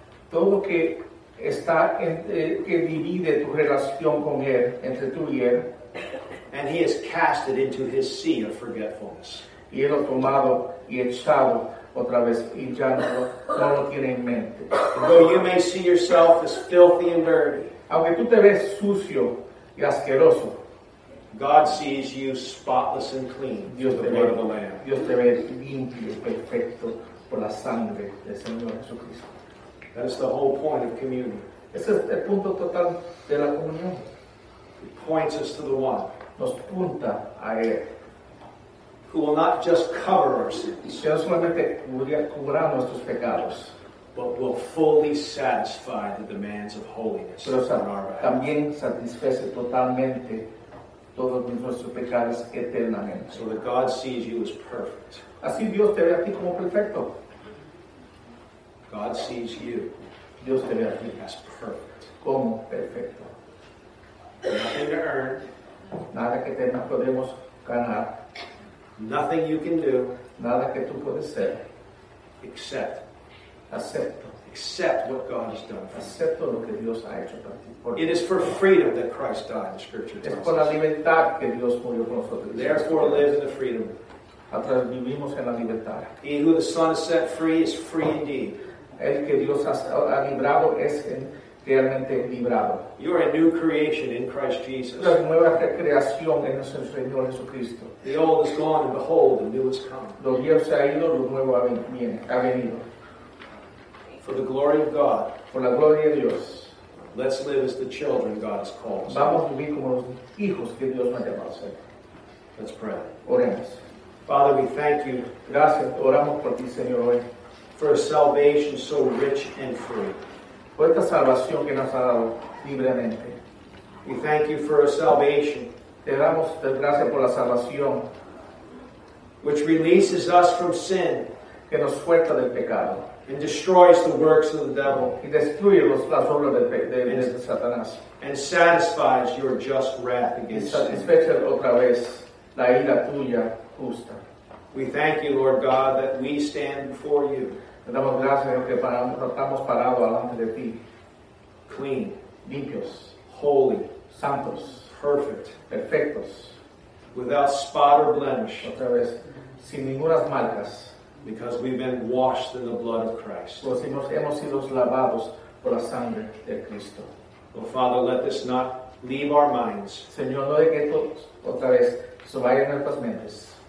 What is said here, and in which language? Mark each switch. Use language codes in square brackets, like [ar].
[es] Todo que está en, que divide tu relación con Él, entre tú y Él. [en] And He has cast it into His sea of forgetfulness. [es] Y Él lo ha tomado y echado otra vez, y ya no lo tiene en mente. [en] Though you may see yourself as filthy and dirty. [es] Aunque tú te ves sucio y asqueroso. [en] God sees you spotless and clean. [es] Dios te ve, [en] Lord of the Lamb. [es] Dios te ve limpio y perfecto por la sangre del Señor Jesucristo. [en] That is the whole point of communion. [es] Ese es el punto total de la comunión. [en] It points us to the one. [es] Nos punta a Él. [en] Who will not just cover our sins. [es] Que no solamente cubrirá nuestros pecados. [en] But will fully satisfy the demands of holiness. [es] Pero también satisface totalmente todos nuestros pecados eternamente. [en] So that God sees you as perfect. [es] Así Dios te ve a ti como perfecto. [en] God sees you. [es] Dios te ve a ti [en] as perfect. [es] Como perfecto. [en] Nothing to earn. [es] Nada que tengamos podemos ganar. [en] Nothing you can do. [es] Nada que tú puedes ser. [en] Except. [es] Acepto. [en] Accept what God has done. [es] Acepto lo que Dios ha hecho para ti. [en] It is for freedom that Christ died. The Scripture tells us. [es] Es por la libertad que Dios murió por nosotros. [en] Therefore, live in the freedom. [es] Atrás vivimos en la libertad. [en] He who the Son has set free is free indeed. [es] El que Dios ha librado es realmente librado. [en] You are a new creation in Christ Jesus. [es] Una nueva creación en nuestro Señor Jesucristo. [en] The old is gone, and behold, the new has come. [es] Lo viejo se ha ido, lo nuevo ha venido. [en] For the glory of God. [es] Por la gloria de Dios. [en] Let's live as the children God has called us. [es] Vamos a vivir como los hijos que Dios nos ha llamado a ser. [en] Let's pray. [es] Oremos. [en] Father, we thank you. [es] Gracias. Oramos por ti, Señor, hoy. [en] For a salvation so rich and free. [es] Por esta salvación que nos ha dado libremente. [en] We thank you for a salvation. [es] Te damos gracias por la salvación. [en] Which releases us from sin. [es] Que nos suelta del pecado. [en] And destroys the works of the devil. [es] Y destruye las obras de Satanás. [en] And satisfies your just wrath against sin. [es] Satisfecha otra vez la ira tuya justa. [en] We thank you, Lord God, that we stand before you. [es] Te damos gracias, Señor, que estamos parados delante de ti. [en] Clean. [es] Limpios. [en] Holy. [es] Santos. [en] Perfect. [es] Perfectos. [en] Without spot or blemish. [es] Otra vez. Sin ninguna marcas. [en] Because we've been washed in the blood of Christ. [es] Pues hemos sido lavados por la sangre de Cristo. [en] Oh, Father, let this not leave our minds. [es] Señor, no de que esto, otra vez, se vaya en nuestras mentes.